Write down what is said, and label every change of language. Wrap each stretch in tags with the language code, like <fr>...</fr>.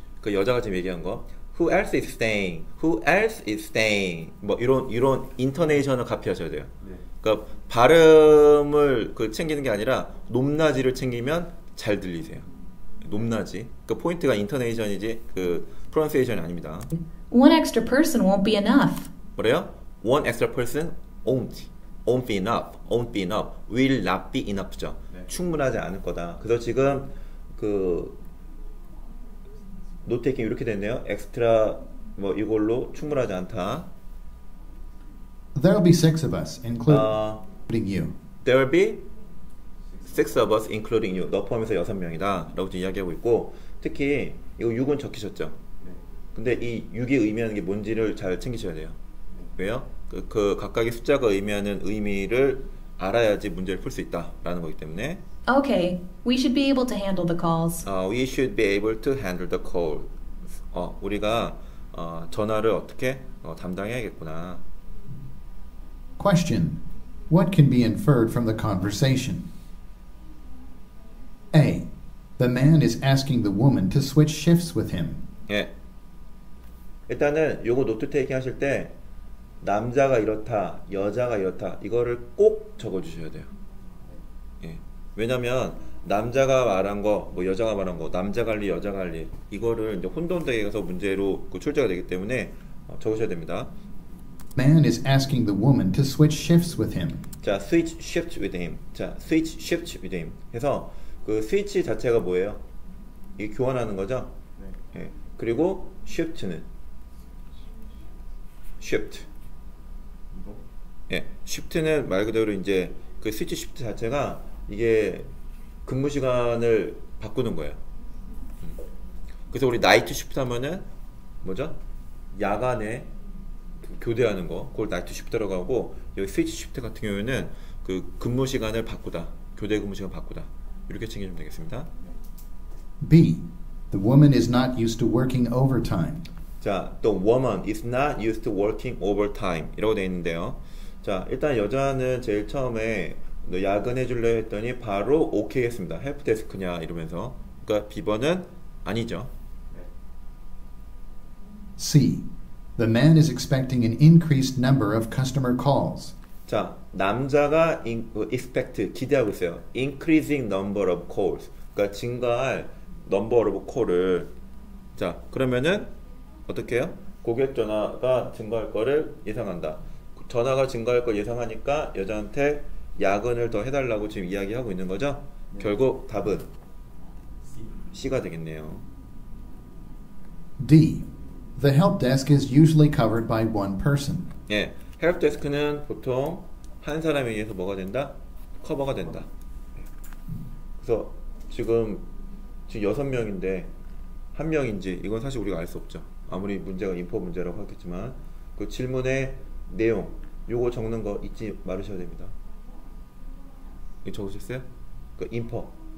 <ko>그 여자가 지금 얘기한 거</ko> <en>Who else is staying? Who else is staying?</en> <ko>뭐 이런 인터네이션을 카피하셔야 돼요. 네. 그러니까 발음을 그 챙기는 게 아니라 높낮이를 챙기면 잘 들리세요. 높낮이. 그 포인트가 인터네이션이지 그 프로넌세이션이 아닙니다.</ko> <en>One extra person won't be enough.</en> <ko>뭐래요?</ko> <en>One extra person won't be enough. won't be enough. will not be enough죠.</en> <ko>네. 충분하지 않을 거다. 그래서 지금 그 노테이킹 이렇게 됐네요. 엑스트라 뭐 이걸로 충분하지 않다.</ko> <en>There'll be 6 of us, including you. There'll be 6 of us, including you.</en> <ko>너 포함해서 6명이다 라고 지금 이야기하고 있고 특히 이거 6은 적히셨죠? 네. 근데 이 6이 의미하는 게 뭔지를 잘 챙기셔야 돼요. 왜요? 그 각각의 숫자가 의미하는 의미를 알아야지 문제를 풀 수 있다라는 거기 때문에</ko> <en>Okay, we should be able to handle the calls. We should be able to handle the calls.</en> <ko>우리가 전화를 어떻게 담당해야겠구나.</ko> <en>Question: what can be inferred from the conversation? A. The man is asking the woman to switch shifts with him.</en> <ko>예. 일단은 요거 노트 테이킹 하실 때 남자가 이렇다, 여자가 이렇다 이거를 꼭 적어주셔야 돼요. 예. 왜냐면 남자가 말한 거, 뭐 여자가 말한 거, 남자 관리, 여자 관리 이거를 이제 혼돈되게 해서 문제로 그 출제가 되기 때문에 적으셔야 됩니다.</ko> <en>Man is asking the woman to switch shifts with him. 자, switch shifts with him.</en> <ko>자,</ko> <en>switch shifts with him.</en> <ko>해서 그 switch 자체가 뭐예요? 이게 교환하는 거죠? 네. 예. 그리고 shift는 shift. 예, shift는 말 그대로 이제 그 스위치 shift 자체가 이게 근무 시간을 바꾸는 거예요. 그래서 우리 나이트 시프트 하면은 뭐죠? 야간에 교대하는 거, 그걸 나이트 시프트라고 하고, 여기 스위치 시프트 같은 경우에는 그 근무 시간을 바꾸다, 교대 근무 시간 바꾸다, 이렇게 챙겨주면 되겠습니다.</ko> <en>B. The woman is not used to working overtime. 자, the woman is not used to working overtime</en> <ko>이라고 되어 있는데요. 자, 일단 여자는 제일 처음에 너 야근해 줄래 했더니 바로 오케이 했습니다. 헬프데스크냐 이러면서. 그러니까 비번은 아니죠.</ko> <en>C. The man is expecting an increased number of customer calls.</en> <ko>자, 남자가 expect 기대하고 있어요.</ko> <en>Increasing number of calls.</en> <ko>그러니까 증가할</ko> <en>number of call을.</en> <ko>자, 그러면은 어떻게 해요? 고객 전화가 증가할 거를 예상한다. 전화가 증가할 걸 예상하니까 여자한테 야근을 더 해달라고 지금 이야기하고 있는 거죠? 네. 결국 답은 C가 되겠네요.</ko> <en>D. The help desk is usually covered by one person.</en> <ko>예, 헬프 데스크는 보통 한 사람에 의해서 뭐가 된다? 커버가 된다. 그래서 지금 여섯 명인데 한 명인지 이건 사실 우리가 알 수 없죠. 아무리 문제가 인포 문제라고 하겠지만 그 질문의 내용 요거 적는 거 잊지 말으셔야 됩니다. 이거 적으셨어요? 그 인퍼. 예.</ko>